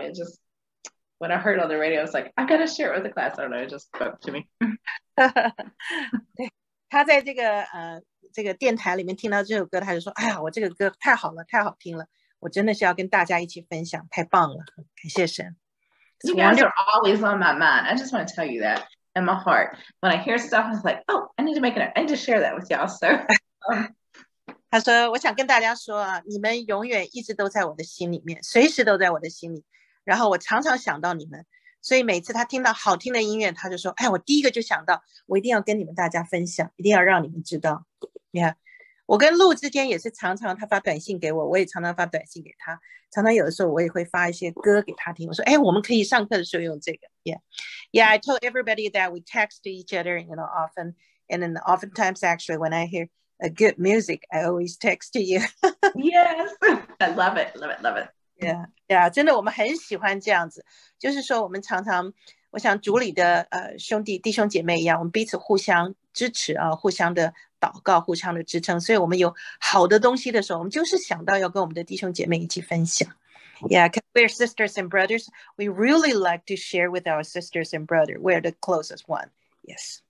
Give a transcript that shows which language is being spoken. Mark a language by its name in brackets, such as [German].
[English] It just, when I heard it on the radio, I was like, I gotta share it with the class. I don't know, it just spoke to me. [Chinese] 他在这个电台里面听到这首歌 他就说哎呀我这个歌太好了太好听了 我真的是要跟大家一起分享 太棒了 感谢神 [English] You guys wonderful. Are always on my mind I just want to tell you that in my heart when I hear stuff I'm like oh I need to make it I need to share that with y'all so [Chinese] 他说我想跟大家说 你们永远一直都在我的心里面 随时都在我的心里 然后我常常想到你们 所以每次他听到好听的音乐 他就说, 哎, 我第一个就想到, 我一定要跟你们大家分享, 一定要让你们知道, yeah. 我跟陆之间也是常常, 他发短信给我, 我也常常发短信给他, 常常有的时候我也会发一些歌给他听, 我说, 哎, 我们可以上课的时候用这个, yeah. [English] Yeah, I told everybody that we text each other, you know, often, and then oftentimes actually when I hear a good music, I always text to you. Yes, I love it, love it, love it. [Chinese] Yeah, yeah, 真的我们很喜欢这样子 就是说我们常常 我想主里的, 兄弟, 弟兄姐妹一样 我们彼此互相支持, 互相的祷告, 互相的支撑 所以我们有好的东西的时候 我们就是想到要跟我们的弟兄姐妹一起分享 [English] Yeah, we're sisters and brothers We really like to share with our sisters and brothers We're the closest one Yes,